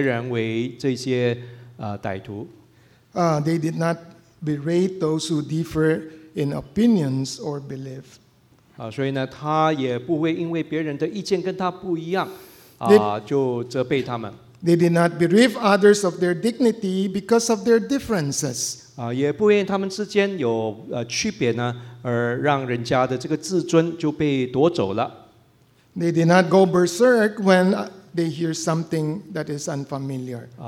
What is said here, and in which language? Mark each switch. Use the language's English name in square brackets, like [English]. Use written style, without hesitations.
[Chinese] 所以他们呢，不是为了自己的生存，然后呢，就称别人为这些歹徒。 [English] They did not berate those who differ in opinions or belief. [Chinese] 所以呢，他也不会因为别人的意见跟他不一样，就责备他们。 [English] They did not bereave others of their dignity because of their differences. [Chinese] 也不会因为他们之间有区别呢，而让人家的这个自尊就被夺走了。 [English] They did not go berserk when they hear something that is unfamiliar.